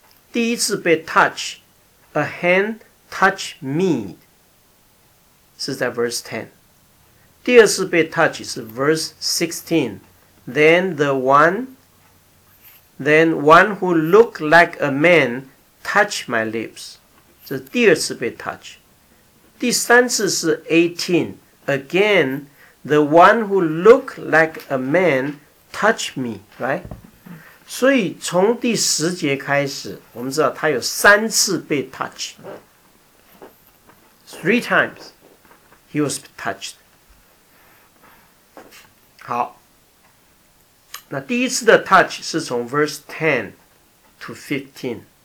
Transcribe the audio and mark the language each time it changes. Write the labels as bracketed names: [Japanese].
[Chinese] 第一次被 [English] touch， a hand touch me， [Chinese] 是在 verse 10。第二次被 touch 是 verse 16。 [English] Then one who looked like a man touched my lips. [Chinese] 这第二次被 touch。第三次是 18。 [English] Again, the one who looked like a man touched me, right? [Chinese] 所以从第十节开始，我们知道他有三次被 touch， [English] three times he was touched。 [Chinese] 好，那第一次的 touch 是从 verse 10 to 15。